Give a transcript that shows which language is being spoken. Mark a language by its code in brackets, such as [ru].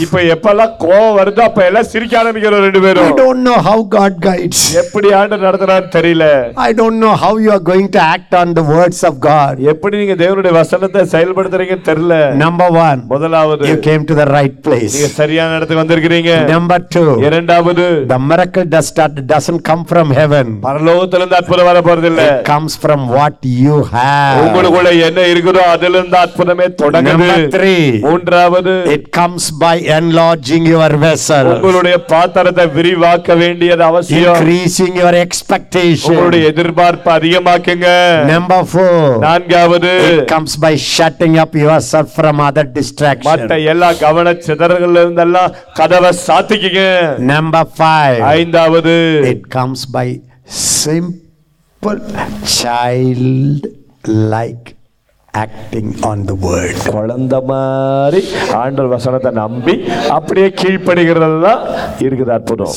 [ta] இப்ப எப்பலாம் கோவ வருதோ அப்ப எல்லாம் சிரிக்க ஆரம்பிக்கிறோம் ரெண்டு பேரும். [en] I don't know how God guides. [ta] எப்படி ஆண்டவர் நடத்துறாரு தெரியல. [en] I don't know how you are going to act on the words of God. [ta] எப்படி நீங்க தேவனுடைய வசனத்தை செயல்படுத்துறீங்கன்னு தெரியல. [en] Number 1. [ta] முதலாவது [en] you came to the right place. [ta] நீங்க சரியான இடத்துக்கு வந்திருக்கீங்க. [en] Number 2. [ta] இரண்டாவது [en] the miracle doesn't come from heaven. [ta] பரலோகத்திலிருந்து அற்புதம் வர போறது இல்ல. [en] It comes from what you have. [ta] உங்களுக்குள்ள என்ன இருக்குதோ அதிலிருந்து அற்புதமே தொடங்குது. [en] Number 3. [ta] மூன்றாவது [en] it comes by enlarging your vessel. [ta] உங்களுடைய பாத்திரத்தை விரிவாக்க வேண்டியது அவசியம். [en] Increasing your expectation. [ta] உங்களுடைய எதிர்பார்ப்பை அதிகமாக்குங்க. [en] Number 4. [ta] நான்காவது [en] it comes by shutting up yourself from other distractions. [ta] மற்ற எல்லா கவன சிதறல்கள்ல இருந்தெல்லாம் கதவை சாத்திக்கங்க. [en] Number 5. [ta] ஐந்தாவது [en] it comes by simple child like acting on the word. [ta] குழந்தை மாதிரி ஆண்டவர் வசனத்தை நம்பி அப்படியே கீழ்ப்படுகிறதுதான் இருக்குது அற்புதம்.